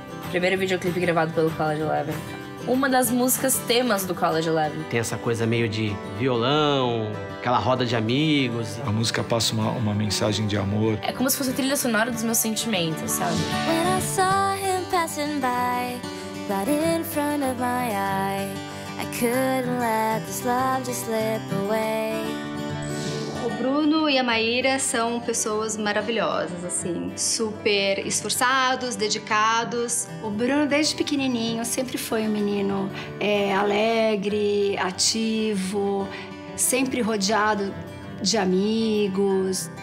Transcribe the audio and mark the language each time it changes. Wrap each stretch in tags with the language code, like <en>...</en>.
<pt>Primeiro videoclipe gravado pelo College Eleven. Uma das músicas temas do College Eleven. Tem essa coisa meio de violão, aquela roda de amigos. A música passa uma mensagem de amor. É como se fosse a trilha sonora dos meus sentimentos, sabe?</pt> <en>When I saw him passing by, right in front of my eye, I couldn't let this love just slip away.</en> <pt>O Bruno e a Maíra são pessoas maravilhosas, assim, super esforçados, dedicados. O Bruno, desde pequenininho, sempre foi um menino alegre, ativo, sempre rodeado de amigos.</pt>